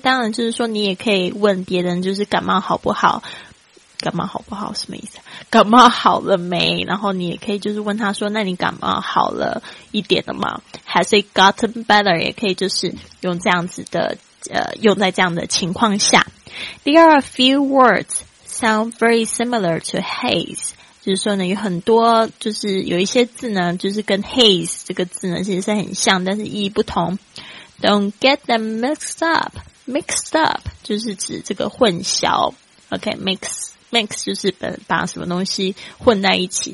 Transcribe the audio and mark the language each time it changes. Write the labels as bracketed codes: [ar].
[zh] 当然就是说，你也可以问别人，就是感冒好不好？感冒好不好什么意思？感冒好了没？然后你也可以就是问他说，那你感冒好了一点了吗 ？ [en] Has it gotten better? [zh] 也可以就是用这样子的，用在这样的情况下。 [en] There are a few words sound very similar to haze. [zh] 就是说呢，有很多就是有一些字呢，就是跟 haze 这个字呢其实是很像，但是意义不同。 [en] Don't get them mixed up. Mixed up [zh] 就是指这个混淆。 OK, mix 就是把什么东西混在一起。